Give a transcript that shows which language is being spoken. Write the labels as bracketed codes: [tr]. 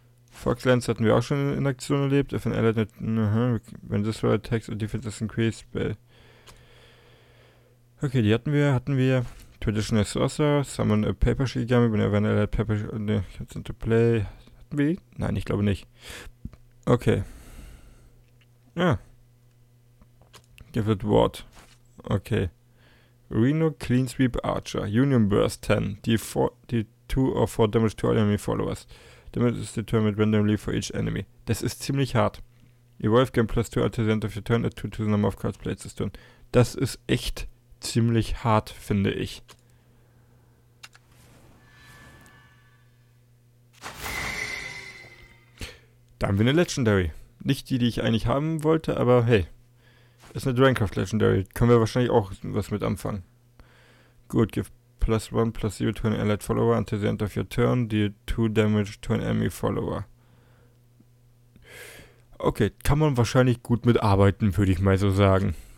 [de] Foxlands hatten wir auch schon in Aktion erlebt. [en] If an allied when this roll attacks or defense is increased by... [de] Okay, die hatten wir. [en] Traditional Sorcerer, summon a paper shigami whenever an allied paper shigami gets into play. [de] Hatten wir die? Nein, ich glaube nicht. Okay. Ja. [en] Give it what? Okay. Reno Clean Sweep Archer. Union Burst 10. D2 or 4 damage to all enemy followers. Damage is determined randomly for each enemy. [de] Das ist ziemlich hart. [en] Evolve gain plus 2 at the end of your turn, add 2 to the number of cards played this turn. [de] Das ist echt ziemlich hart, finde ich. Da haben wir eine Legendary. Nicht die, die ich eigentlich haben wollte, aber hey. Ist eine Dragoncraft Legendary. Können wir wahrscheinlich auch was mit anfangen. [en] Gut, give plus 1, plus 0 to an allied follower until the end of your turn. Deal 2 damage to an enemy follower. [de] Okay, kann man wahrscheinlich gut mitarbeiten, würde ich mal so sagen.